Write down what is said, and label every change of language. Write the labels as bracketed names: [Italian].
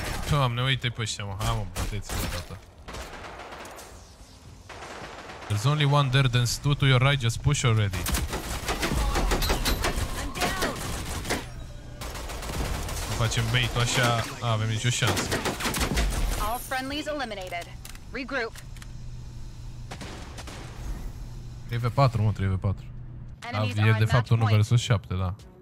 [Romanian] Doamne, uite-i pe ăștia, mă. Hai, mă, bătăți-mă toată. [English] There's only one there, then two to your right, just push already. [Romanian] Nu facem bait-ul așa, avem nicio șansă. [English] All friendlies eliminated. Regroup. [Romanian] 3v4, mă, 3v4. Enemies. E de fapt 1 versus 7, da.